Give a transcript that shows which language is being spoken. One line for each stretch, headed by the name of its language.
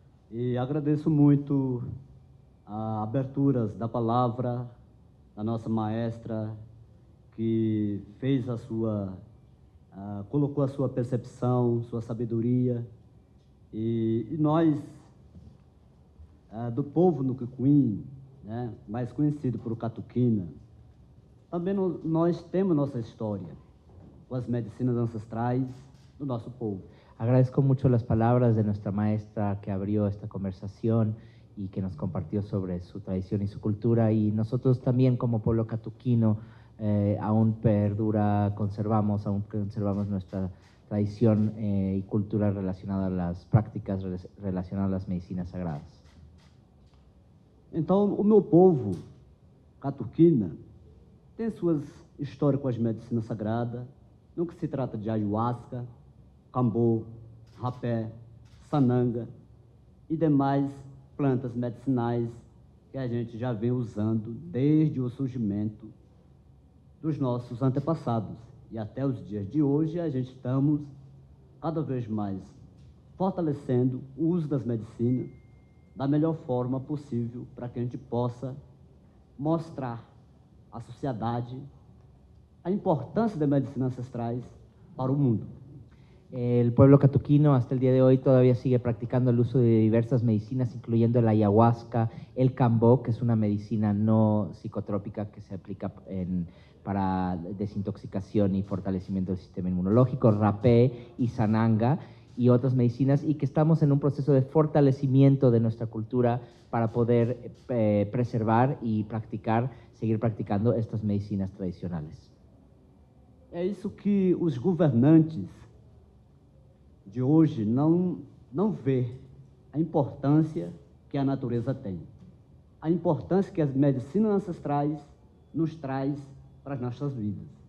Portuguese: E agradeço muito a aberturas da palavra da nossa maestra, que fez a sua, colocou a sua percepção, sua sabedoria. E nós, do povo Nukukuin, né, mais conhecido por Catuquina, também nós temos nossa história com as medicinas ancestrais do nosso povo.
Spanish: Agradezco mucho las palabras de nuestra maestra que abrió esta conversación y que nos compartió sobre su tradición y su cultura. Y nosotros también como pueblo catuquino aún perdura, conservamos nuestra tradición y cultura relacionada a las prácticas relacionadas a las medicinas sagradas.
Portuguese: Entonces, o meu povo catuquina tem suas histórias com as medicinas sagradas, no que se trata de ayahuasca, cambô, rapé, sananga e demais plantas medicinais que a gente já vem usando desde o surgimento dos nossos antepassados. E até os dias de hoje, a gente estamos cada vez mais fortalecendo o uso das medicinas da melhor forma possível para que a gente possa mostrar à sociedade a importância das medicinas ancestrais para o mundo.
Spanish: El pueblo catuquino hasta el día de hoy todavía sigue practicando el uso de diversas medicinas, incluyendo la ayahuasca, el cambó, que es una medicina no psicotrópica que se aplica para desintoxicación y fortalecimiento del sistema inmunológico, rapé y sananga y otras medicinas, y que estamos en un proceso de fortalecimiento de nuestra cultura para poder preservar y practicar, seguir practicando estas medicinas tradicionales. Es eso que los gobernantes
Portuguese: de hoje não vê a importância que a natureza tem, a importância que as medicinas ancestrais nos traz para as nossas vidas.